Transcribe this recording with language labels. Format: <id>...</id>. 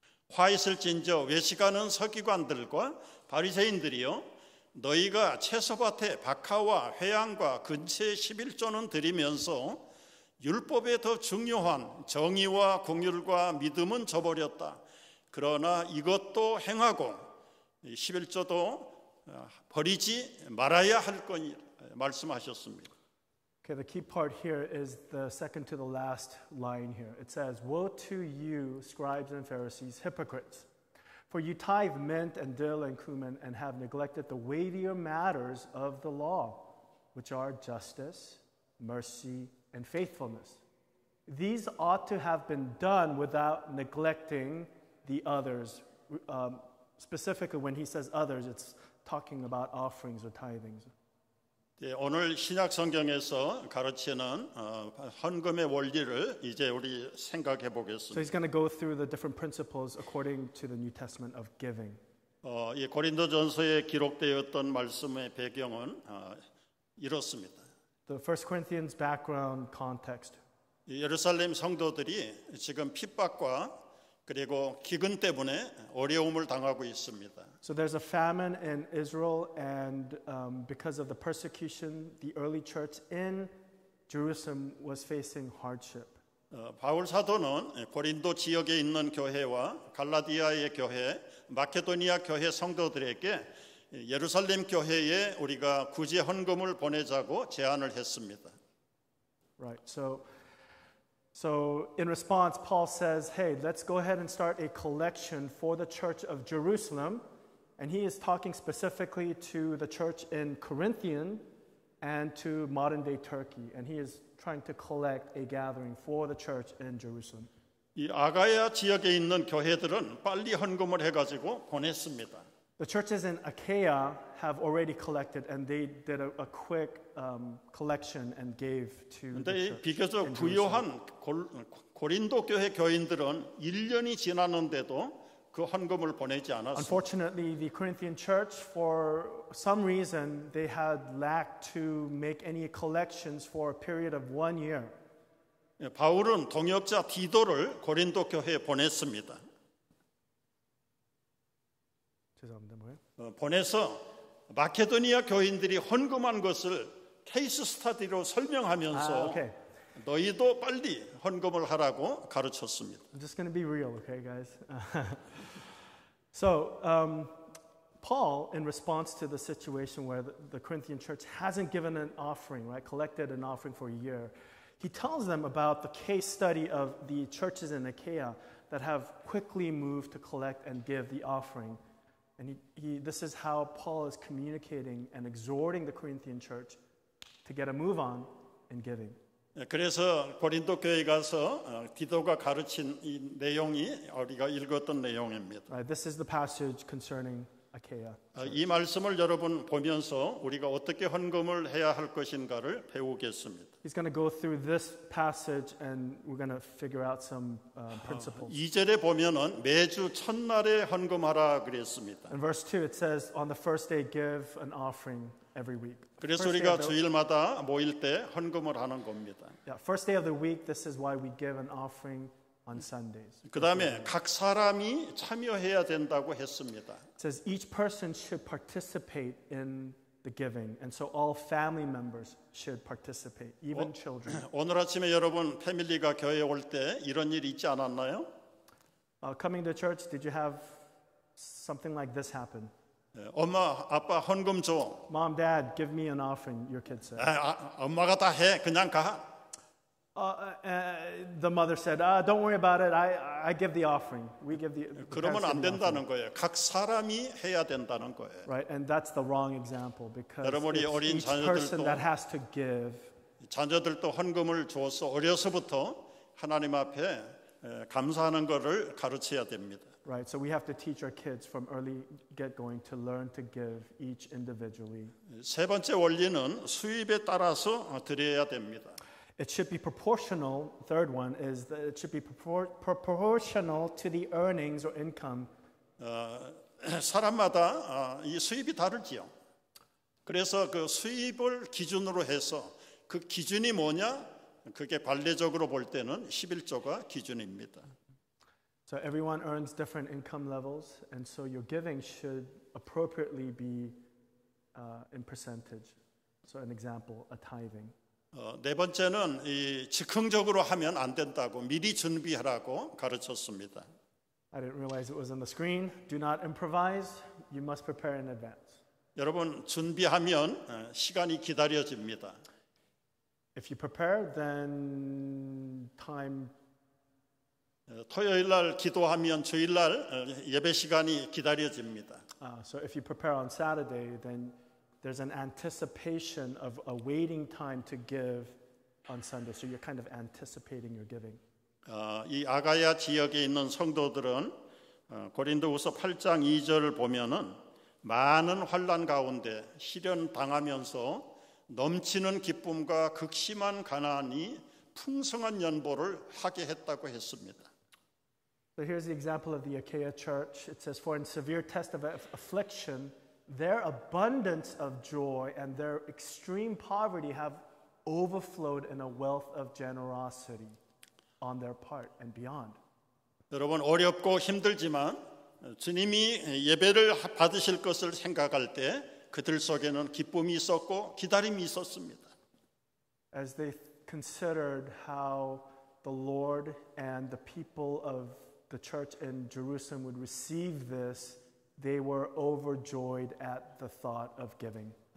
<ko>화 있을진저 외식하는 서기관들과 바리새인들이여, 너희가 채소밭에 박하와 회양과 근처에 십일조는 드리면서 율법에 더 중요한 정의와 공의과 믿음은 저버렸다. 그러나 이것도 행하고 십일조도 버리지 말아야 할 거니 말씀하셨습니다.</ko> <en>Okay, the key part here is the second to the last line here. It says, Woe to you, scribes and Pharisees, hypocrites! For you tithe mint and dill and cumin and have neglected the weightier matters of the law, which are justice, mercy, and faithfulness. These ought to have been done without neglecting the others. Specifically, when he says others, it's talking about offerings or tithings.</en> <ko>예, 오늘 신약 성경에서 가르치는 헌금의 원리를 이제 우리 생각해 보겠습니다.</ko> <en>So he's going to go through the different principles according to the New Testament of giving.</en> <ko>이 고린도전서에 기록되었던 말씀의 배경은 이렇습니다.</ko> <en>The First Corinthians background context.</en> <ko>예루살렘 성도들이 지금 핍박과 그리고 기근 때문에 어려움을 당하고 있습니다.</ko> <en>So there's a famine in Israel, and because of the persecution, the early church in Jerusalem was facing hardship.</en> <ko>바울 사도는 고린도 지역에 있는 교회와 갈라디아의 교회, 마케도니아 교회 성도들에게 예루살렘 교회에 우리가 구제 헌금을 보내자고 제안을 했습니다.</ko> <en>Right. So in response, Paul says, hey, let's go ahead and start a collection for the church of Jerusalem. And he is talking specifically to the church in Corinthian and to modern-day Turkey. And he is trying to collect a gathering for the church in Jerusalem.</en> <ko>이 아가야 지역에 있는 교회들은 빨리 헌금을 해가지고 보냈습니다.</ko> <en>The churches in Achaia have already collected, and they did a quick collection and gave to the church.</en> <ko>근데 비교적 부유한 고린도 교회 교인들은 1년이 지났는데도 그 헌금을 보내지 않았어요.</ko> <en>Unfortunately, the Corinthian church, for some reason, they had lacked to make any collections for a period of 1 year.</en> <ko>바울은 동역자 디도를 고린도 교회에 보냈습니다. 죄송합니다. 뭐예요? 보내서 마케도니아 교인들이 헌금한 것을 케이스 스터디로 설명하면서</ko> <en>okay.</en> <ko>너희도 빨리 헌금을 하라고 가르쳤습니다.</ko> <en>I'm just going to be real, okay, guys? So, Paul, in response to the situation where the Corinthian church hasn't given an offering, right, collected an offering for a year, he tells them about the case study of the churches in Achaia that have quickly moved to collect and give the offering. And this is how Paul is communicating and exhorting the Corinthian church to get a move on in giving.</en> <ko>그래서 고린도 교회에 가서 디도가 가르친 이 내용이 우리가 읽었던 내용입니다.</ko> <en>Right, this is the passage concerning Achaia.</en> <ko>이 말씀을 여러분 보면서 우리가 어떻게 헌금을 해야 할 것인가를 배우겠습니다.</ko> <en>He's going to go through this passage and we're going to figure out some principles.</en> <ko>2절에 보면은 매주 첫날에 헌금하라 그랬습니다.</ko> <en>In verse 2 it says on the first day give an offering every week.</en> <ko>그래서 우리가 주일마다 모일 때 헌금을 하는 겁니다.</ko> <en>Yeah, first day of the week, this is why we give an offering on Sundays.</en> <ko>그다음에 각 사람이 참여해야 된다고 했습니다.</ko> <en>It says each person should participate in the giving, and so all family members should participate, even children.</en> <ko>오늘 아침에 여러분 패밀리가 교회 올 때 이런 일 있지 않았나요?</ko> <en>Coming to church, did you have something like this happen?</en> <ko>엄마, 아빠 헌금 줘.</ko> <en>Mom, Dad, give me an offering, your kid said.</en> <ko>엄마가 다 해, 그냥 가.</ko> <en>The mother said, don't worry about it, I give the offering. We give the</en> <ko>그러면 안 된다는 거예요. 각 사람이 해야 된다는 거예요.</ko> <en>Right, and that's the wrong example, because</en> <ko>여러분이 어린</ko> <en>each</en> <ko>자녀들도,</ko> <en>person that has to give.</en> <ko>자녀들도 헌금을 줘서 어려서부터 하나님 앞에 감사하는 것을 가르쳐야 됩니다.</ko> <en>Right, so we have to teach our kids from early get going to learn to give each individually.</en> <ko>세 번째 원리는 수입에 따라서 드려야 됩니다.</ko> <en>It should be proportional. Third one is that it should be proportional to the earnings or income.</en> <ko>사람마다 이 수입이 다르지요. 그래서 그 수입을 기준으로 해서 그 기준이 뭐냐? 그게 관례적으로 볼 때는 십일조가 기준입니다.</ko> <en>So everyone earns different income levels, and so your giving should appropriately be in percentage. So an example, a tithing.</en> <ko>네 번째는 이 즉흥적으로 하면 안 된다고 미리 준비하라고 가르쳤습니다.</ko> <en>I didn't realize it was on the screen. Do not improvise. You must prepare in advance.</en> <ko>여러분 준비하면 시간이 기다려집니다.</ko> <en>If you prepare, then time.</en> <ko>토요일 날 기도하면 주일 날 예배 시간이 기다려집니다.</ko> <en>So if you prepare on Saturday, then there's an anticipation of a waiting time to give on Sunday. So you're kind of anticipating your giving.</en> <ko>이 아가야 지역에 있는 성도들은 고린도후서 8장 2절을 보면은 많은 환난 가운데 시련 당하면서 넘치는 기쁨과 극심한 가난이 풍성한 연보를 하게 했다고 했습니다.</ko> <en>So here's the example of the Achaia church. It says, for in severe test of affliction, their abundance of joy and their extreme poverty have overflowed in a wealth of generosity on their part and beyond.</en> <ko>여러분 어렵고 힘들지만 주님이 예배를 받으실 것을 생각할 때 그들 속에는 기쁨이 있었고 기다림이 있었습니다.</ko> <en>As they considered how the Lord and the people of the church in Jerusalem would receive this, they were overjoyed at the thought of giving.</en>